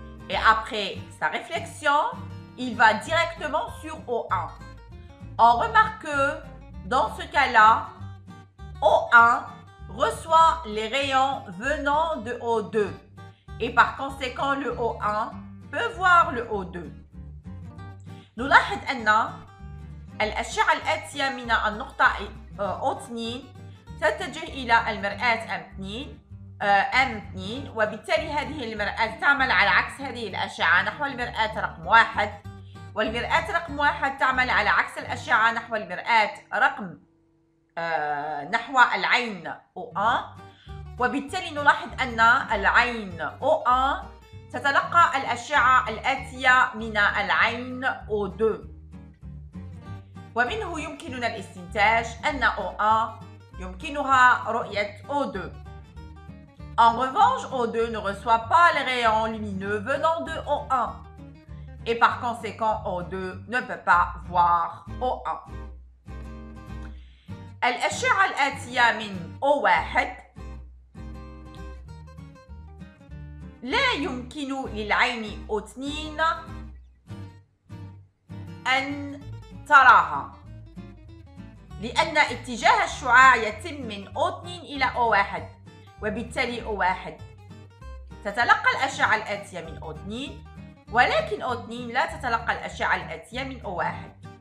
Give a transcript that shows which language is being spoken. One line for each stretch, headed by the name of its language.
French: Et après sa réflexion, il va directement sur O1. On remarque que dans ce cas-là, O1 reçoit les rayons venant de O2 et par conséquent le O1 peut voir le O2. Nous
Arabic: لاحظ أن الأشعة الآتية من النقطة O2 تتجه إلى المرآة M2 وبالتالي هذه المرآة تعمل على عكس هذه الأشعة نحو المرآة رقم 1. والمرآة رقم 1 تعمل على عكس الأشعة نحو المرآة رقم نحو العين O1، وبالتالي نلاحظ أن العين O1 تتلقى الأشعة الآتية من العين O2، ومنه يمكننا الاستنتاج أن O1 يمكنها رؤية O2.
French: En revanche, O2 ne reçoit pas les rayons lumineux venant de O1. Et par conséquent, O2 ne peut pas voir O1.
Arabic: الأشعة الآتية من O1 لا يمكن للعين O2 أن تراها، لأن اتجاه الشعاع يتم من O2 إلى O1، وبالتالي O1 تتلقى الأشعة الآتية من O2، ولكن O2 لا تتلقى الأشعة الآتية من O1.